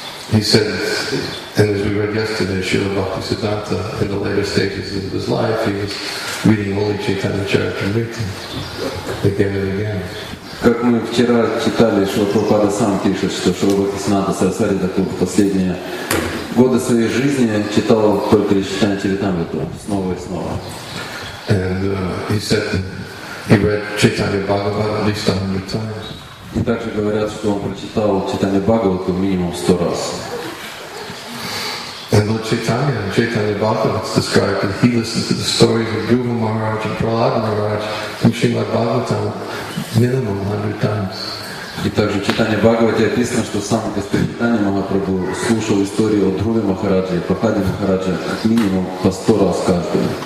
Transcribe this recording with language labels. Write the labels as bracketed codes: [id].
[en] He said, and as we read yesterday, Srila Bhaktisiddhanta, in the later stages of his life, he was reading Holy Chaitanya Charitamrita again and again. [ru] Как мы вчера читали, Шрила Прабхупада сам пишет, что Шрила Бхактисиддханта Сарасвати Такур последние годы своей жизни читал только лишь Чайтанья Чаритамриту снова и снова. [en] And he said he read Chaitanya Bhagavata at least 100 times. [ru] И также говорят, что он прочитал Чайтанья Бхагавату минимум 100 раз. [en] And Lord Chaitanya, Chaitanya Bhagavat is described that he listened to the stories of Dhruva Maharaj and Prahlad Maharaj from Srimad Bhagavatam minimum 100 times. [ru] И также в Чайтанье Бхагавате описано, что сам Господь Чайтанья Махапрабху слушал истории о Дхруве Махарадже и Прахладе Махарадже как минимум по 100 раз каждый.